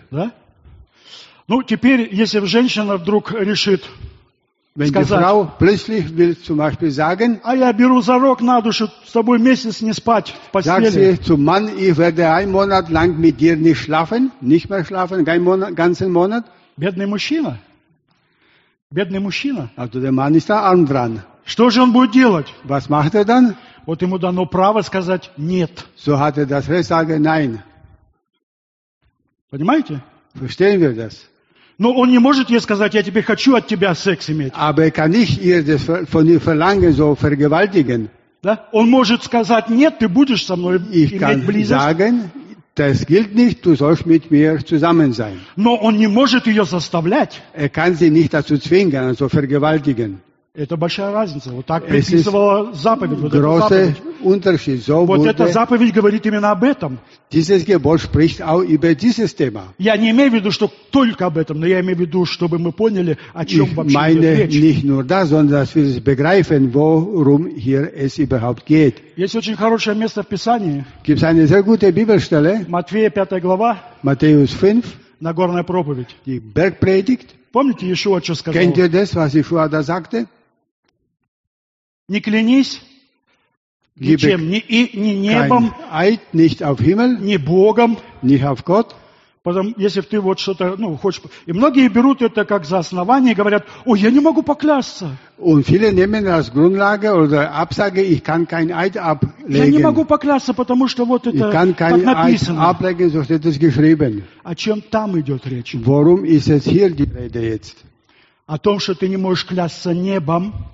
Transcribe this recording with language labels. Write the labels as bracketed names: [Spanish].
[Russian] Да? Ну, теперь, если женщина вдруг решит [German] wenn [Russian] сказать, [German] die Frau plötzlich will zum Beispiel sagen, [Russian] а я беру зарок на душу, с тобой месяц не спать в постели. [German] Sagt sie zum Mann, ich werde einen Monat lang mit dir nicht schlafen, nicht mehr schlafen, keinen Monat, ganzen Monat. [Russian] Бедный мужчина. Бедный мужчина. [German] Also der Mann ist da arm dran. [Russian] Что же он будет делать? [German] Was macht er dann? [Russian] Вот ему дано право сказать нет. [German] So hat er das Recht sagen, nein. [Russian] Понимаете? [German] Verstehen wir das? [Russian] Но он не может ей сказать, я тебе хочу от тебя секс иметь. [German] Aber er kann nicht ihr das von ihr verlangen, so vergewaltigen. [Russian] Да? Он может сказать, нет, ты будешь со мной [German] ich [Russian] иметь близость. [German] Sagen, das gilt nicht, du sollst mit mir zusammen sein. [Russian] Но он не может ее заставлять. [German] Er kann sie nicht dazu zwingen, also vergewaltigen. [Russian] Это большая разница. Вот так предписывала заповедь. Вот [German] großer Unterschied. So [Russian] вот эта заповедь говорит именно об этом. [German] Dieses Gebot spricht auch über dieses Thema. [Russian] Я не имею в виду, что только об этом, но я имею в виду, чтобы мы поняли, о чем [German] ich [Russian] вообще [German] meine [Russian] идет речь. [German] Nicht nur das, sondern dass wir begreifen, worum hier es überhaupt geht. [Russian] Есть очень хорошее место в Писании. [German] Gibt es eine sehr gute Bibelstelle? [Russian] Матфея 5 глава. [German] Matthäus 5. [Russian] Нагорная проповедь. [German] Die Bergpredigt. [Russian] Помните, Иешуа что сказал? [German] Kennt ihr das, was Иешуа da sagte? [Russian] Не клянись ничем, ни небом, [German] Eid, nicht auf Himmel, [Russian] ни Богом, [German] nicht auf Gott. [Russian] Потому, если ты вот что-то, ну, хочешь... И многие берут это как за основание и говорят, ой, я не могу поклясться. [German] Und viele nehmen als Grundlage oder Absage, ich kann kein Eid ablegen. [Russian] Я не могу поклясться, потому что вот это [German] ich kann kein [Russian] так написано. [German] Eid ablegen, so steht es geschrieben. [Russian] О чем там идет речь? [German] Worum ist es hier die Rede jetzt? [Russian] О том, что ты не можешь клясться небом.